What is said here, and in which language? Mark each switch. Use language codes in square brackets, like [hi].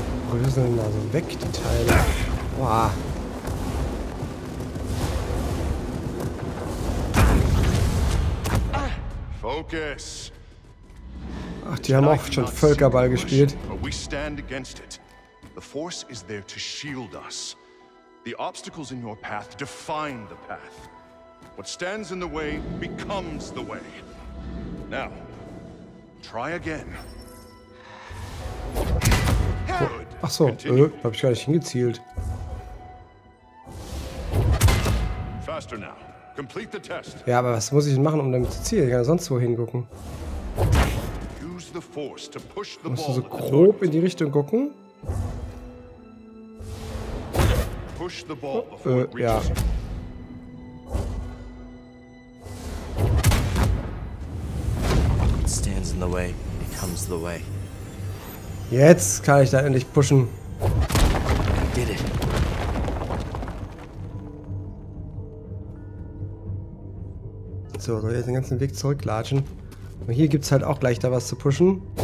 [de] bröseln also weg, die Teile. Boah. [en] Focus. [de] Ach, die haben auch schon Völkerball gespielt. [en] We stand against it. The force is there to shield us. The obstacles in your path define the path. What stands in the way becomes the way. Now, try again. [de] Ach so, hab ich gar nicht hingezielt. [en] Faster now. Complete the test. [de] Ja, aber was muss ich denn machen, um damit zu zielen? Ich kann ja sonst wo hingucken. [en] Use the force to push the [de] Musst du so grob in die Richtung gucken? [en] Push the ball before it reaches. [de] Ja. [en] Stands in the way, becomes the way. [de] Jetzt kann ich da endlich pushen. [en] Did it. [de] So, soll ich jetzt den ganzen Weg zurücklatschen. Und hier gibt's halt auch gleich da was zu pushen.